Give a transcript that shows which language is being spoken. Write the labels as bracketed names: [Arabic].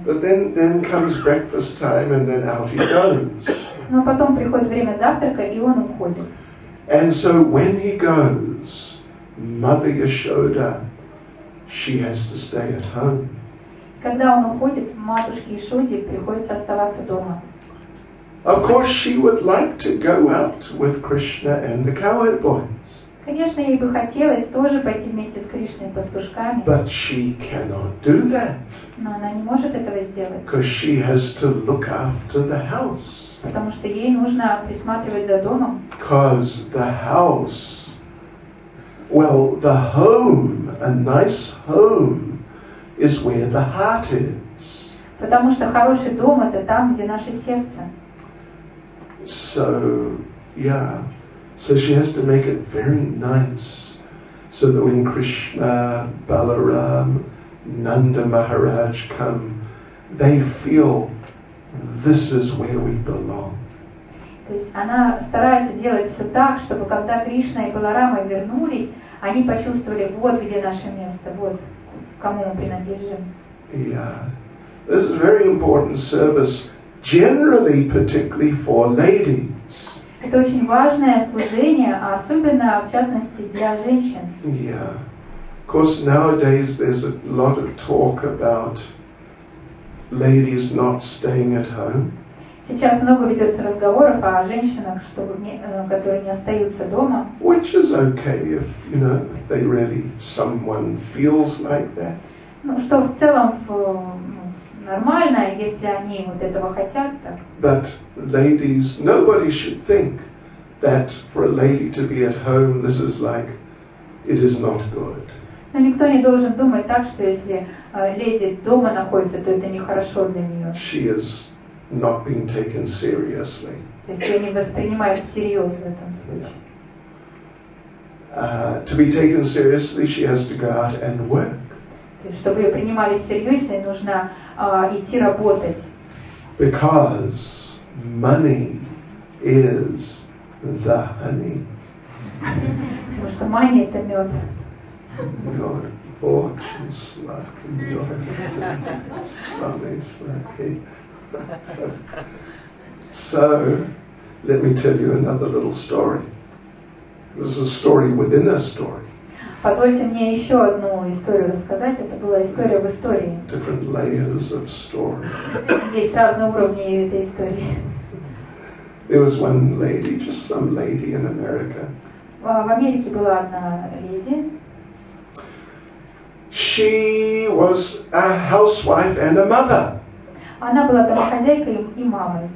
[English] But then comes breakfast time, and then out he goes. [Russian] Но потом приходит время завтрака, и он уходит. [English] And so when he goes, Mother Yashoda, she has to stay at home. [Russian] Когда он уходит, матушке Ишоде приходится оставаться дома. [English] Of course, she would like to go out with Krishna and the cowherd boys. [Russian] Конечно, ей бы хотелось тоже пойти вместе с Кришной и пастушками. [English] But she cannot do that. [Russian] Но она не может этого сделать. [English] Because she has to look after the house. [Russian] Потому что ей нужно присматривать за домом. [English] Because the house, well, the home, a nice home, is where the heart is. [Russian] Потому что хороший дом — это там, где наше сердце. [English] So, yeah. So she has to make it very nice, so that when Krishna, Balaram, Nanda Maharaj come, they feel this is where we belong. [Russian] То есть она старается делать все так, чтобы когда Кришна и Баларама вернулись, они почувствовали, вот где наше место, вот кому мы принадлежим. [English] Yeah, this is very important service, generally, particularly for ladies. [Russian] Это очень важное служение, особенно в частности для женщин. [English] Yeah, of course, nowadays there's a lot of talk about ladies not staying at home. [Russian] Сейчас много ведется разговоров о женщинах, чтобы которые не остаются дома. [English] Which is okay if, you know, if they really someone feels like that. [Russian] Ну что в целом нормально, если они вот этого хотят, так. [English] But ladies, nobody should think that for a lady to be at home, this is like it is not good. [Russian] Но никто не должен думать так, что если леди дома находится, то это нехорошо для нее. [English] She is not being taken seriously. [Russian] То есть ее не воспринимают всерьез в этом случае. [English] To be taken seriously, she has to go out and work. [Russian] То есть, чтобы ее принимали всерьез, ей нужно идти работать. [English] Because money is the honey. [Russian] Потому что money — это мед. Your fortune slacky, your sunny slacky. [English] So, let me tell you another little story. This is a story within a story. [Russian] Позвольте мне еще одну историю рассказать. Это была история в истории. [English] Different layers of story. [Russian] Есть разные уровни этой истории. [English] There was one lady, just some lady in America. [Russian] В Америке была одна леди. [English] She was a housewife and a mother. [Russian] Она была домохозяйкой и мамой.